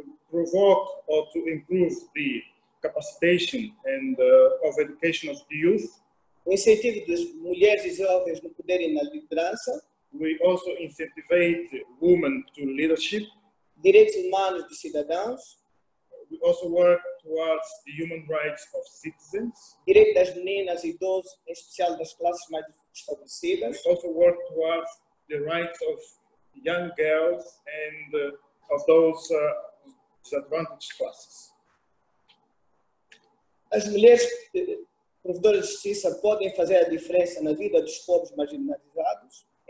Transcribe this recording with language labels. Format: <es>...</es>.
<en>provoke or to improve the capacitation and of education of the youth,</en> <pt>o incentivo das mulheres e jovens no poder e na liderança,</pt> <en>we also incentivate women to leadership,</en> <pt>direitos humanos dos cidadãos,</pt> <en>we also work towards the human rights of citizens,</en> <pt>direito das meninas e idosos, em especial das classes mais desfavorecidas,</pt> <en>we also work towards the rights of young girls and of those disadvantaged classes.</en> <pt>As mulheres provedoras de justiça podem fazer a diferença na vida dos povos marginalizados.</pt>